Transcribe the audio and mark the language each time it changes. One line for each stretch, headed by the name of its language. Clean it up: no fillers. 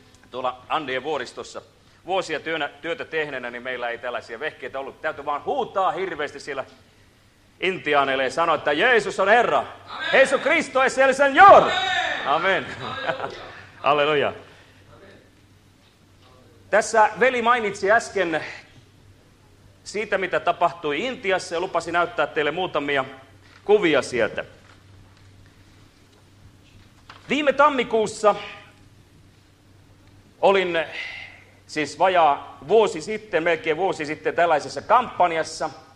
Finnish: Tuolla Andien vuoristossa vuosia työtä tehneenä, niin meillä ei tällaisia vehkeitä ollut. Täytyy vaan huutaa hirveästi siellä intiaaneille ja sanoa, että Jeesus on Herra.
Spanish: Jeesus Kristo es el Señor. Amen. Alleluja.
Finnish: Tässä veli mainitsi äsken siitä, mitä tapahtui Intiassa, ja lupasi näyttää teille muutamia kuvia sieltä. Viime tammikuussa olin siis vajaa vuosi sitten, melkein vuosi sitten tällaisessa kampanjassa.